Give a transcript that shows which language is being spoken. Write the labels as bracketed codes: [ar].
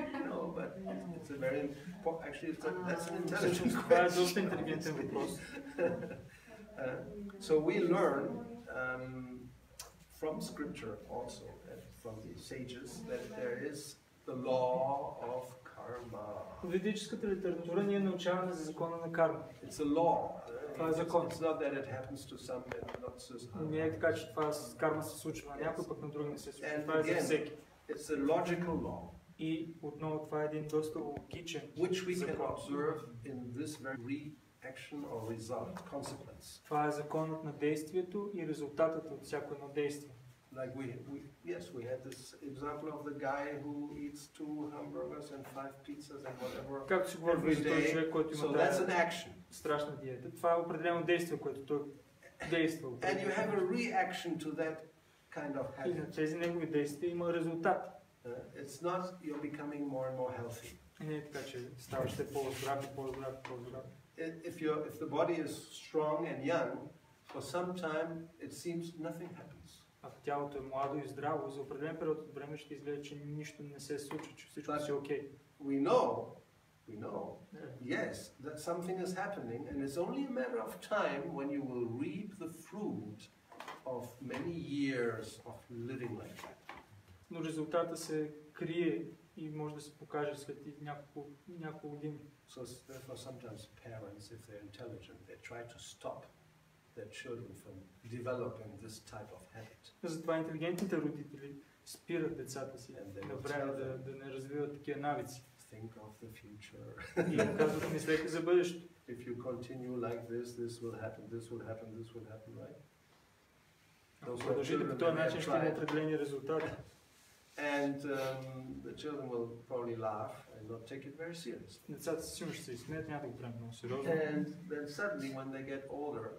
[en] No, but it's a very important, actually that's an intelligent question. So we learn from scripture also, from the sages, that there is the law of [bg] в ведическата литература ние научаваме за закона на карма. [en] It's a law. [bg] Това е закон. [en] It's not that it happens to some, but not to some. [bg] Не е така, че това карма се случва на някой, пък на друг не се случва. Това е за всеки. [en] It's a logical law. [bg] И отново това е един доста логичен закон. [en] Which we can observe in this very reaction or result, consequence. [bg] Това е законът на действието и резултатът от всяко едно действие. [en] Like we had this example of the guy who eats 2 hamburgers and 5 pizzas and whatever. [bg] Как се говори за този човек, който има страшна диета? [en] So that's an action. [bg] Страшна диета. Това е определено действие, което той действа. [en] And you have a reaction to that kind of habit. [bg] И тези негови действия има резултат. [en] It's not you're becoming more and more healthy. [bg] Не е така, че ставаш по-здрав, по-здрав, по-здрав. [en] If the body is strong and young, for some time it seems nothing happens. [bg] Ако тялото е младо и здраво, за определен период от време ще изгледа, че нищо не се случва, че всичко си окей. [en] We know. Yeah. Yes, that something is happening and it's only a matter of time when you will reap the fruit of many years of living like that. [bg] Но резултата се крие и може да се покаже след няколко години. [en] So therefore sometimes parents, if they're intelligent, they try to stop their children from developing this type of habit. [bg] Затова интелигентните родители спират децата си на време да не развиват такива навици. [en] Think of the future. [bg] И казват, мислете за бъдещето. [en] If you continue like this, this will happen, this will happen, this will happen, right? [bg] Ако продължите по този начин, ще има определени резултати. [en] And the children will probably laugh and not take it very seriously. [bg] Децата си ще се смеят, няма да го приемат много сериозно. [en] And then suddenly when they get older,